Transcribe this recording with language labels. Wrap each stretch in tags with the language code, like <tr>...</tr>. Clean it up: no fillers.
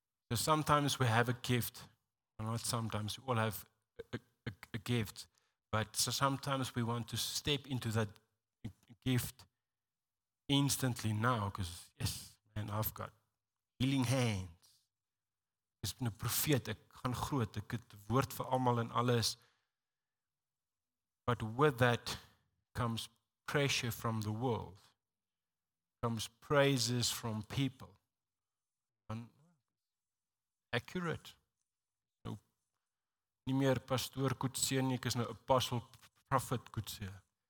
<en>So sometimes we have a gift, or not sometimes, we all have a gift, but so sometimes we want to step into that gift instantly now, because yes, man, I've got healing hands.</en> <af>Ek ben 'n profeet, ek kan groot, ek het woord vir almal en alles. But with that comes pressure from the world, comes praises from people.</af> <en>And accurate. No,</en> <af>nie meer pastoor Kutseer nie, ek is nou apostle prophet Kutseer.</af>